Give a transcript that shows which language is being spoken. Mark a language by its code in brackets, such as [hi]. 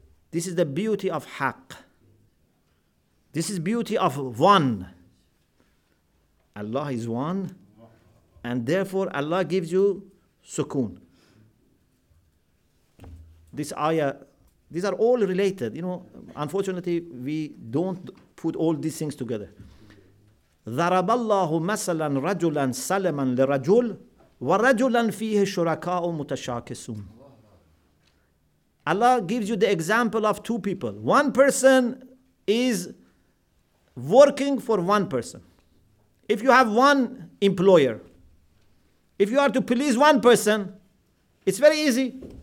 [en] This is the beauty of haqq. This is beauty of one. Allah is one, and therefore Allah gives you sukoon. This ayah, these are all related. You know, unfortunately, we don't put all these things together. [ar] ضرب الله مثلا رجلا سلما لرجل ورجلا فيه شركاء متشاكسون. [en] Allah gives you the example of two people. One person is working for one person. If you have one employer, if you are to please one person, it's very easy.